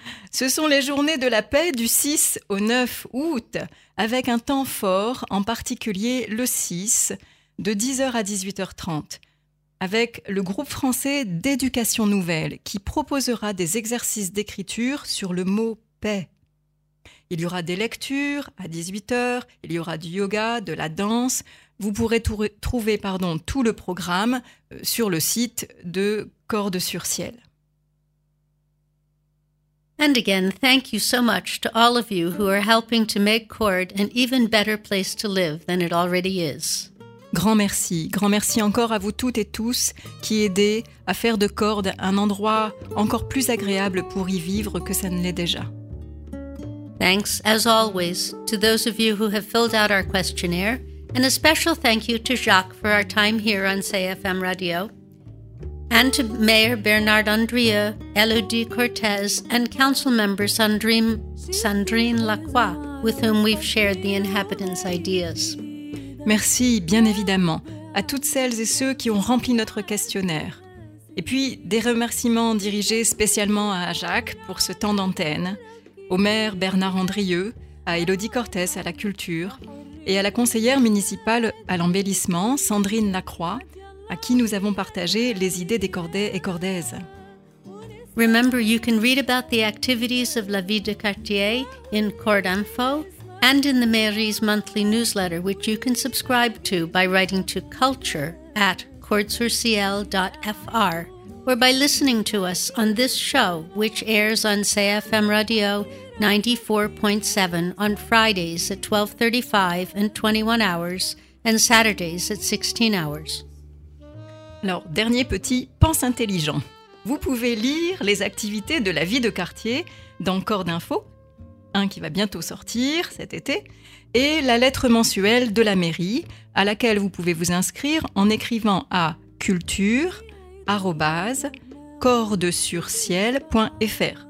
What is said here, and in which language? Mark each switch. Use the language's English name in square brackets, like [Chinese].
[French] Ce sont les journées de la paix du 6 au 9 août, avec un temps fort, en particulier le 6, de 10h à 18h30, avec le groupe français d'éducation nouvelle qui proposera des exercices d'écriture sur le mot « paix ». Il y aura des lectures à 18h, il y aura du yoga, de la danse. Vous pourrez trouver tout le programme sur le site de Cordes sur Ciel. [English] And again, thank you so much to all of you who are helping to make Cord an even better place to live than it already is. [French] Grand merci encore à vous toutes et tous qui aidez à faire de Cord un endroit encore plus agréable pour y vivre que ça ne l'est déjà. [English] Thanks, as always, to those of you who have filled out our questionnaire, and a special thank you to Jacques for our time here on CFM Radio. And to Mayor Bernard Andrieu, Elodie Cortez, and Councilmember Sandrine Lacroix, with whom we've shared the inhabitants' ideas. [French] Merci, bien évidemment, à toutes celles et ceux qui ont rempli notre questionnaire. Et puis, des remerciements dirigés spécialement à Jacques pour ce temps d'antenne, au maire Bernard Andrieu, à Elodie Cortez à la culture, et à la conseillère municipale à l'embellissement, Sandrine Lacroix, à qui nous avons partagé les idées des cordais et cordaises. [English] Remember, you can read about the activities of La Vie de Quartier in Cord Info and in the Mairie's monthly newsletter, which you can subscribe to by writing to culture@cordsurciel.fr or by listening to us on this show, which airs on CFM Radio 94.7 on Fridays at 12:35 and 21 hours and Saturdays at 16 hours. [French] Alors, dernier petit, pense intelligent. Vous pouvez lire les activités de la vie de quartier dans Cord Info, un qui va bientôt sortir cet été, et la lettre mensuelle de la mairie, à laquelle vous pouvez vous inscrire en écrivant à culture@cordesurciel.fr.